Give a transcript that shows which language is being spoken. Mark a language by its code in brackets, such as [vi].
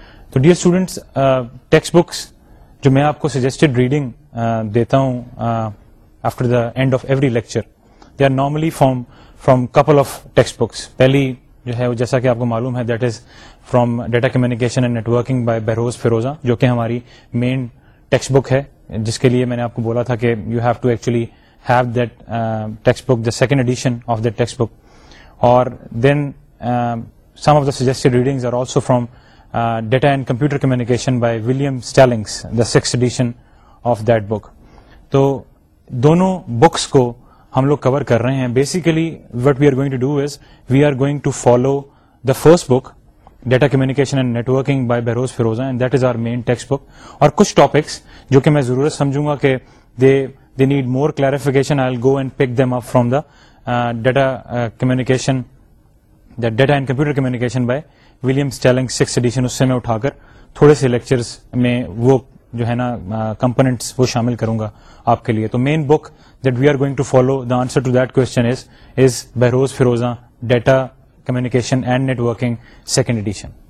[en] تو dear students textbooks [ur] جو میں آپ کو سجیسٹڈ ریڈنگ دیتا ہوں [en] After the end of every lecture they are normally from couple of textbooks. [ur] پہلی جو ہے وہ جیسا کہ آپ کو معلوم ہے [en] that is from data communication and networking by [ur] Behrouz Firoza جو کہ ہماری مین ٹیکسٹ بک ہے جس کے لیے میں نے آپ کو بولا تھا کہ [en] You have to actually have that textbook, the second edition of the textbook. Or then some of the suggested readings are also from Data and Computer Communication by William Stallings, the sixth edition of that book. [ur] So, dono books ko hum log cover kar rahe hain. [en] Basically, what we are going to do is, we are going to follow the first book, Data Communication and Networking by Behrouz Firoza, and that is our main textbook. [ur] Aur kuch topics, jo ke main zarurat samjhunga ke [en] they need more clarification, I'll go and pick them up from the data communication, the data and computer communication by William Stallings 6th edition. [ur] اس سے میں اٹھا کر تھوڑے سے lectures میں وہ جو ہے نا کمپوننٹس وہ شامل کروں گا آپ کے لیے. [en] تو main book that we are going to follow the answer to that question is Behrouz Forouzan data communication and networking second edition.